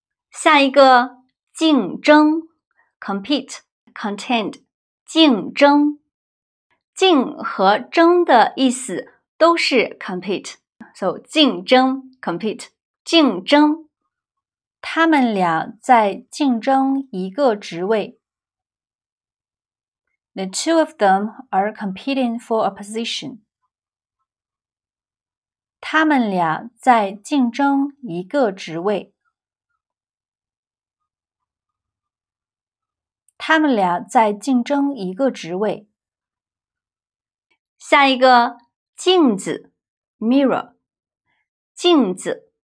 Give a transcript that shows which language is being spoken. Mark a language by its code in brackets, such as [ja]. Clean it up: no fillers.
[zh] 下一个竞争 compete, contend, 竞争。竞和争的意思都是 compete, so 竞争 compete, 竞争。他们俩在竞争一个职位。 [en] The two of them are competing for a position. [zh] 他们俩在竞争一个职位。他们俩在竞争一个职位。下一个镜子 mirror, 镜子。